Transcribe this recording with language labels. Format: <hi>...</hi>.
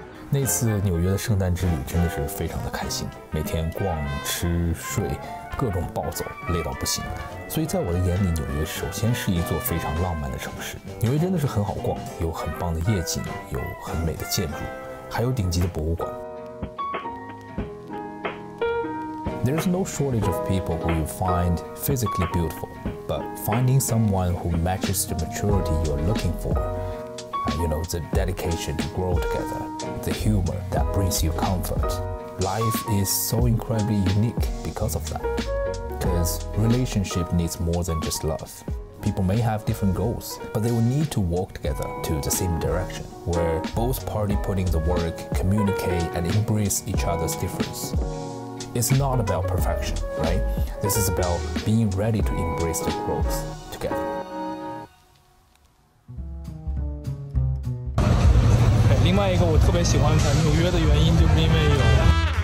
<zh>那次纽约的圣诞之旅真的是非常的开心，每天逛吃睡各种暴走，累到不行。所以在我的眼里，纽约首先是一座非常浪漫的城市。纽约真的是很好逛，有很棒的夜景，有很美的建筑，还有顶级的博物馆。</zh> <en>There's no shortage of people who you find physically beautiful, but finding someone who matches the maturity you're looking for, you know, the dedication to grow together, the humor that brings you comfort, life is so incredibly unique because of that. Because relationship needs more than just love. People may have different goals, but they will need to walk together to the same direction, where both parties put in the work, communicate, and embrace each other's difference. It's not about perfection, right? This is about being ready to embrace the growth together.</en> <zh>另外一个我特别喜欢在纽约的原因，就是因为有</zh>